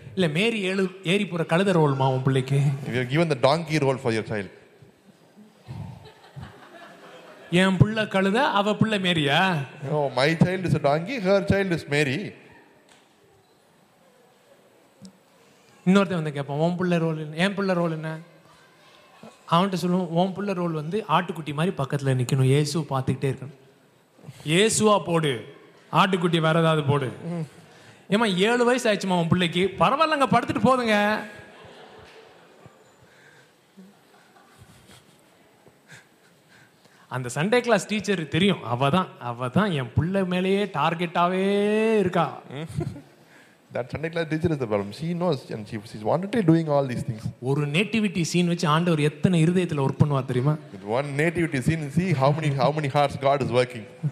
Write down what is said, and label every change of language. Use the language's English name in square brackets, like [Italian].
[Tamil] இல்ல மேரி ஏழு ஏறி போற கழுத ரோல்மா உன் பிள்ளைக்கு? [English] You have given the donkey role for your child. [Tamil] என் புள்ள கழுத அவ புள்ள Maria? [English] Oh, my child is a donkey, her child is Mary. [Tamil] இன்னொருத்த வந்து கேட்பான், ஓம் புள்ள ரோல் என்ன, என் புள்ள ரோல் என்ன? அவன்கிட்ட சொல்லுவோம், ஓம் புள்ள ரோல் வந்து ஆட்டுக்குட்டி மாதிரி பக்கத்தில் நிற்கணும், இயேசு பார்த்துக்கிட்டே இருக்கணும். இயேசுவா போடு, ஆட்டுக்குட்டி வேற ஏதாவது போடு. ஏமா 7 வயசு ஆயிடுச்சுமா உன் பிள்ளைக்கு, பரவாயில்லங்க படுத்துட்டு போதுங்க. அந்த சண்டே கிளாஸ் டீச்சர் தெரியும், அவதான் என் பிள்ளை மேலேயே டார்கெட்டாவே இருக்கா. [English] That Sunday class teacher is the problem. She knows and she's wanted to doing all these things. [Tamil] ஒரு நேட்டிவிட்டி சீன் வச்சு ஆண்டவர் எத்தனை இருதயத்துல வொர்க் பண்ணுவார் தெரியுமா? [English] With one nativity scene, see how many hearts God is working.